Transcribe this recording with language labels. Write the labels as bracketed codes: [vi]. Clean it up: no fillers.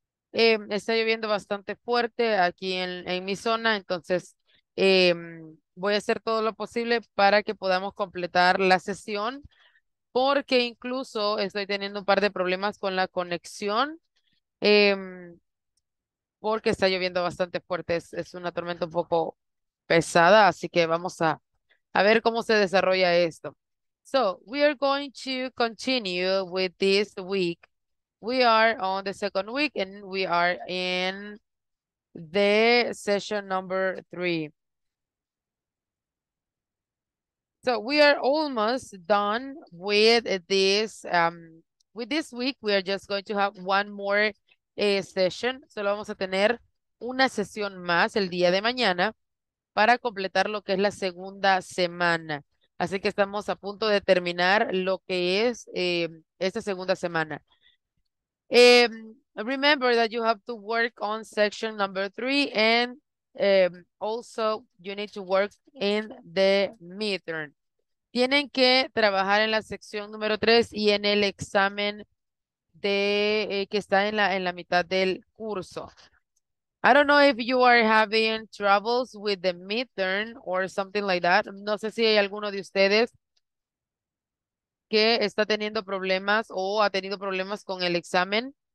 [es] Está lloviendo bastante fuerte aquí en mi zona, entonces voy a hacer todo lo posible para que podamos completar la sesión, porque incluso estoy teniendo un par de problemas con la conexión, porque está lloviendo bastante fuerte, es una tormenta un poco pesada, así que vamos a ver cómo se desarrolla esto. [en] So, we are going to continue with this week. We are on the second week and we are in the session number three. So we are almost done with this week. We are just going to have one more session. [es] Solo vamos a tener una sesión más el día de mañana para completar lo que es la segunda semana. Así que estamos a punto de terminar lo que es esta segunda semana. [en] Remember that you have to work on section number three and also you need to work in the midterm. [es] Tienen que trabajar en la sección número tres y en el examen de que está en la mitad del curso. [en] I don't know if you are having troubles with the midterm or something like that. [es] No sé si hay alguno de ustedes que está teniendo problemas o ha tenido problemas con el examen.